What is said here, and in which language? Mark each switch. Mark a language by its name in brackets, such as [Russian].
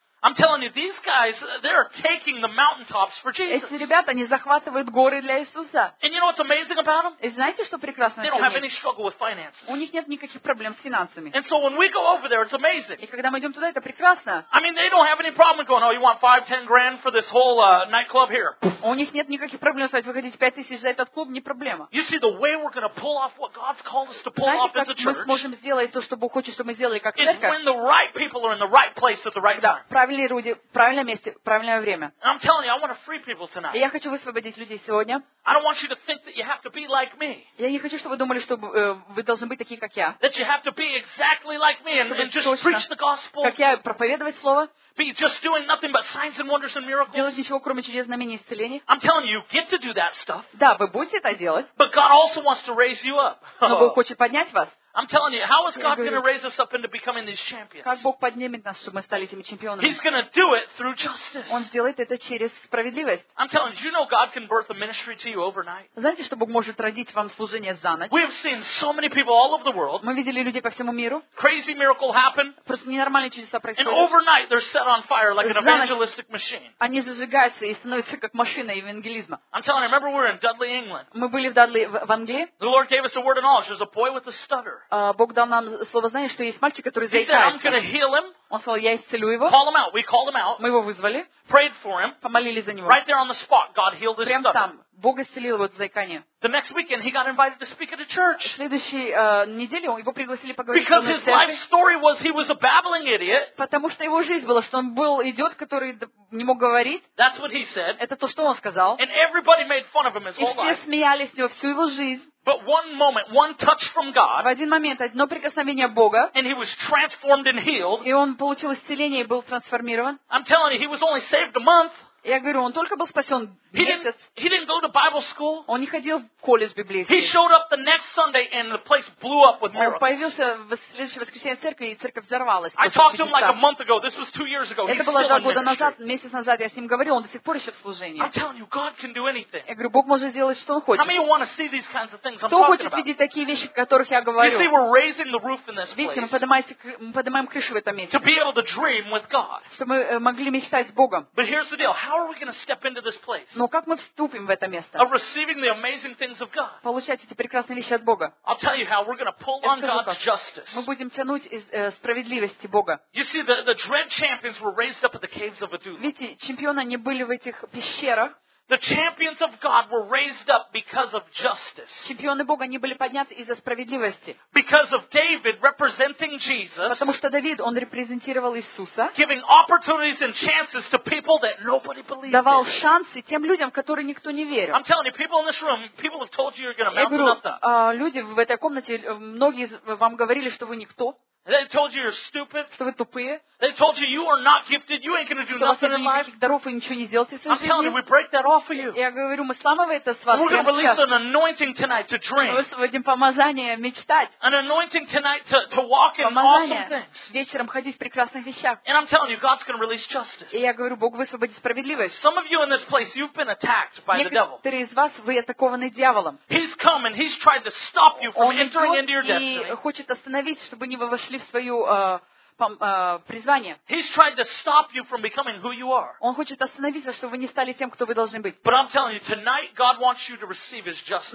[English] I'm telling you, these guys, they're taking the mountaintops for Jesus. [Russian] Эти ребята, они захватывают горы для Иисуса. [English] And you know what's amazing about them? [Russian] И знаете, что прекрасно? [English] They don't have any struggle with finances. [Russian] У них нет никаких проблем с финансами. [English] And so when we go over there, it's amazing. [Russian] И когда мы идем туда, это прекрасно. [English] I mean, they don't have any problem going, "Oh, you want 5-10 grand for this whole nightclub here?" [Russian] У них нет никаких проблем сказать, вы хотите 5000 за этот клуб, не проблема. [English] You see, the way we're going to pull off what God's called us to pull off as a church. [Russian] Знаете, как мы сможем сделать то, что Бог хочет, чтобы мы сделали как церковь? [English] It's when the right people are in the right place at the right time. [Russian] Правильные люди, в правильном месте, в правильное время. [English] I'm telling you, I want to free people tonight. [Russian] И я хочу высвободить людей сегодня. [English] I don't want you to think that you have to be like me. [Russian] Я не хочу, чтобы вы думали, что вы должны быть такие, как я. [English] That you have to be exactly like me and just preach the gospel. [Russian] Как я, проповедовать слово. [English] Be just doing nothing but signs and wonders and miracles. [Russian] Делать ничего, кроме чудес, знамений, исцелений. [English] I'm telling you, you get to do that stuff. [Russian] Да, вы будете это делать. [English] But God also wants to raise you up. [Russian] Но Бог хочет поднять вас. [English] I'm telling you, how is God going to raise us up into becoming these champions? [Russian] Как Бог поднимет нас, чтобы мы стали этими чемпионами? [English] He's going to do it through justice. [Russian] Он сделает это через справедливость. [English] I'm telling you, you know God can birth a ministry to you overnight. [Russian] Знаете, что Бог может родить вам служение за ночь? [English] We've seen so many people all over the world. [Russian] Мы видели людей по всему миру. [English] Crazy miracle happen. [Russian] Просто ненормальные чудеса происходят. [English] And overnight they're set on fire like an evangelistic machine. [Russian] Они зажигаются и становятся как машина евангелизма. [English] I'm telling you, remember we were in Dudley, England. [Russian] Мы были в Дадли, в Англии. [English] The Lord gave us a word of knowledge. There's a boy with a stutter. [Russian] Бог дал нам слово знания, что есть мальчик, который заикается. Он сказал, я исцелю его. [English] Call him out. We called him out. [Russian] Мы его вызвали. [English] Prayed for him. [Russian] Помолили за него. [English] Right there on the spot, God healed his [Russian] Прямо [English] stutter. [Russian] Там. Бог исцелил его от заикания. [English] The next weekend he got invited to speak at a church. [Russian] В следующей неделе его пригласили поговорить. [English] Because his life story was he was a babbling idiot. [Russian] Потому что его жизнь была, что он был идиот, который не мог говорить. [English] That's what he said. [Russian] Это то, что он сказал. [English] And everybody made fun of him his whole life. [Russian] И все смеялись с него всю его жизнь. [English] But one moment, one touch from God. [Russian] В один момент одно прикосновение Бога. [English] And he was transformed and healed. [Russian] И он получил исцеление и был трансформирован. [English] I'm telling you, he was only saved a month. [Russian] Я говорю, он только был спасен месяц. [English] He didn't go to Bible school. [Russian] Он не ходил в колледж библейский. [English] He showed up the next Sunday and the place blew up with miracles. [Russian] Он появился в следующее воскресенье в церкви и церковь взорвалась. [English] I talked to him like a month ago. This was 2 years ago. [Russian] Это было 2 года назад, месяц назад я с ним говорил, он до сих пор еще в служении. [English] I'm telling you, God can do anything. [Russian] Я говорю, Бог может сделать, что он хочет. [English] How many want to see these kinds of things I'm talking [Russian] Кто хочет видеть такие вещи, о которых я говорю? [English] You see, we're raising the roof in this place. [Russian] Видите, мы поднимаем крышу в этом месте. [English] To be able to dream with God. [Russian] Чтобы мы могли мечтать с Богом. [English] But here's the deal. How are we going to step into this place? [Russian] Но как мы вступим в это место? [English] Of receiving the amazing things of God. [Russian] Получать эти прекрасные вещи от Бога. [English] I'll tell you how we're going to pull on God's justice. [Russian] Мы будем тянуть из справедливости Бога. [English] You see, the dread champions were raised up at the caves of Adullam. [Russian] Видите, чемпионы не были в этих пещерах. [English] The champions of God were raised up because of justice. [Russian] Чемпионы Бога не были подняты из-за справедливости. [English] Because of David representing Jesus. [Russian] Потому что Давид он репрезентировал Иисуса. [English] Giving opportunities and chances to people that nobody believed. [Russian] Давал шансы тем людям, которые никто не верил. [English] I'm telling you, people in this room, people have told you you're going to mountain up. [Russian] Люди в этой комнате, многие вам говорили, что вы никто. [English] They told you you're stupid. [Russian] Что вы тупые. [English] They told you you are not gifted. You ain't going to do nothing in life. [Russian] Даров вы ничего не сделаете в своей жизни. [English] I'm telling you, we break that off for you. [Russian] Я говорю, мы сламываем это с вас. [English] We're going to release an anointing tonight to dream. [Russian] Мы сегодня помазание мечтать. [English] An anointing tonight to walk in awesome things. [Russian] Вечером ходить в прекрасных вещах. [English] And I'm telling you, God's going to release justice. [Russian] И я говорю, Бог высвободит справедливость. [English] Some of you in this place, you've been attacked by the devil. [Russian] Некоторые из вас вы атакованы дьяволом. [English] He's come and he's tried to стоп you from entering into your destiny. [Russian] Он хочет остановить, чтобы не вы вошли в свое призвание. [English] He's tried to stop you from becoming who you are. [Russian] Он хочет остановиться, чтобы вы не стали тем, кто вы должны быть. [English] But I'm telling you, tonight God wants you to receive His justice.